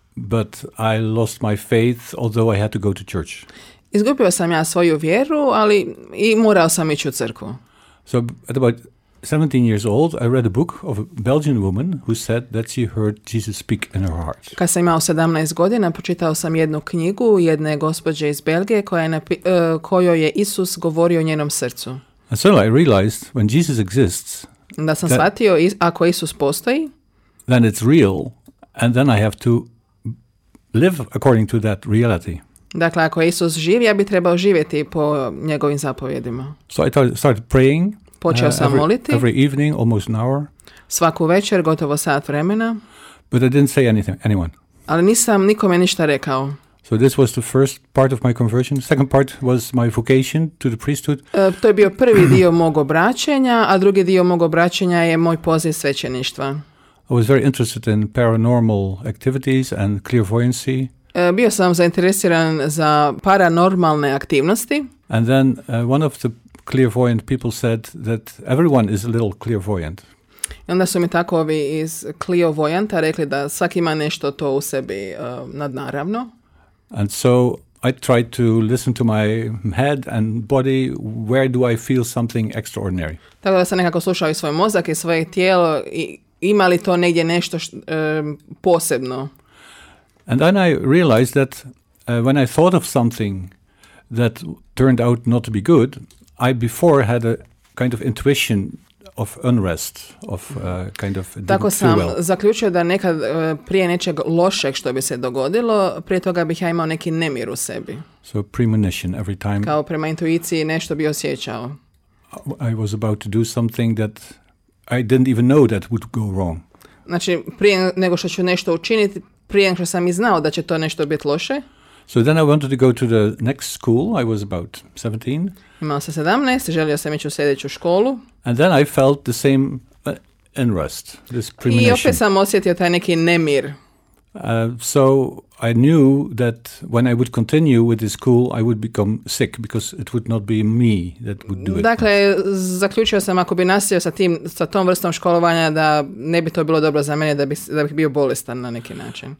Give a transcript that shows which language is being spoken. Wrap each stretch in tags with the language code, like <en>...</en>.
<en>But I lost my faith, although I had to go to church.</en> <hr>Izgubio sam ja svoju vjeru, ali i morao sam ići u crkvu.</hr> <en>So at about 17 years old, I read a book of a Belgian woman who said that she heard Jesus speak in her heart.</en> <hr>Kad sam imao 17 godina, pročitao sam jednu knjigu jedne gospođe iz Belgije kojoj je Isus govorio njenom srcu.</hr> <en>And so I realized when Jesus exists,</en> <hr>da sam shvatio ako Isus postoji,</hr> <en>then it's real, and then I have to live according to that reality.</en> <hr>Dakle, ako Isus živi, ja bi trebao živjeti po njegovim zapovjedima.</hr> <en>So I started praying.</en> <hr>Počeo sam moliti.</hr> <en>Every evening, almost an hour.</en> <hr>Svaku večer, gotovo sat vremena.</hr> <en>But I didn't say anything, anyone.</en> <hr>Ali nisam nikome ništa rekao.</hr> <en>So this was the first part of my conversion. Second part was my vocation to the priesthood.</en> <hr>To je bio prvi dio mog obraćenja, a drugi dio mog obraćenja je moj poziv svećeništva.</hr> <en>I was very interested in paranormal activities and clairvoyancy.</en> <hr>Bio sam zainteresiran za paranormalne aktivnosti.</hr> <en>And then one of the clairvoyant people said that everyone is a little clairvoyant.</en> <hr>I onda su mi tako ovi iz clairvoyanta rekli da svaki ima nešto to u sebi nadnaravno.</hr> <en>And so I tried to listen to my head and body, where do I feel something extraordinary?</en> <hr>Tako da sam nekako slušao i svoj mozak i svoje tijelo i ima li to negdje nešto posebno?</hr> <en>And then I realized that when I thought of something that turned out not to be good, I before had a kind of intuition of unrest, of kind of didn't</en> <hr>tako sam</hr> <en>feel well.</en> <hr>Zaključio da nekad prije nečeg lošeg što bi se dogodilo, prije toga bih ja imao neki nemir u sebi.</hr> <en>So premonition every time.</en> <hr>Kao prema intuiciji nešto bi osjećao.</hr> <en>I was about to do something that I didn't even know that would go wrong.</en> <hr>Znači, prije nego što ću nešto učiniti, prije nego što sam i znao da će to nešto biti loše.</hr> <en>So then I wanted to go to the next school. I was about 17.</en> <hr>Imao sam 17, želio sam ići u sljedeću školu.</hr> <en>And then I felt the same unrest, this premonition.</en> <hr>I opet sam osjetio taj neki nemir.</hr> <en>So I knew that when I would continue with this school, I would become sick because it would not be me that would do it.</en> <hr>Dakle, zaključio sam ako bi nastavio sa tom vrstom školovanja da ne bi to bilo dobro za mene, da bih bio bolestan na neki način.</hr>